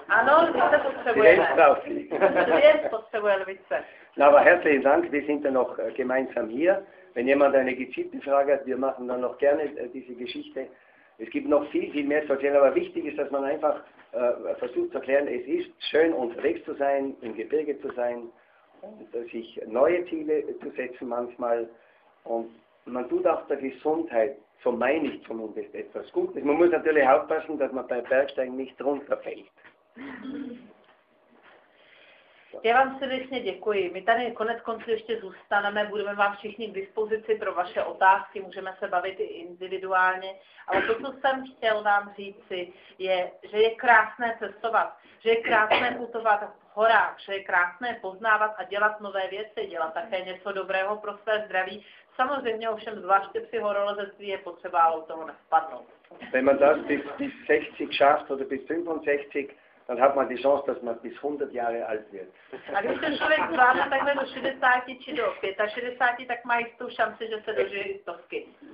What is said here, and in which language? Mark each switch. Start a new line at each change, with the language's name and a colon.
Czech: Ano, lvice potřebuje lvice.
German: No, aber herzlichen Dank, wir sind ja noch gemeinsam hier. Wenn jemand eine gezielte Frage hat, wir machen dann noch gerne diese Geschichte. Es gibt noch viel, viel mehr zu erzählen, aber wichtig ist, dass man einfach versucht zu erklären, es ist schön unterwegs zu sein, im Gebirge zu sein und sich neue Ziele zu setzen manchmal. Und man tut auch der Gesundheit, so meine ich zumindest, etwas Gutes. Man muss natürlich aufpassen, dass man beim Bergsteigen nicht runterfällt.
Czech: Já vám srdečně děkuji. My tady konec konců ještě zůstaneme, budeme vám všichni k dispozici pro vaše otázky, můžeme se bavit i individuálně. Ale to, co jsem chtěl vám říci, je, že je krásné cestovat, že je krásné putovat v horách, že je krásné poznávat a dělat nové věci, dělat také něco dobrého pro své zdraví. Samozřejmě ovšem zvláště při horolezectví je potřeba od toho nespadnout.
German: Wenn man das bis 60 schafft oder bis 65, dann hat man die Chance, dass man bis 100 Jahre alt wird.
Czech: A když ten člověk zvládne takhle do 60 či do 65, tak má jistou šanci, že se dožije i stovky.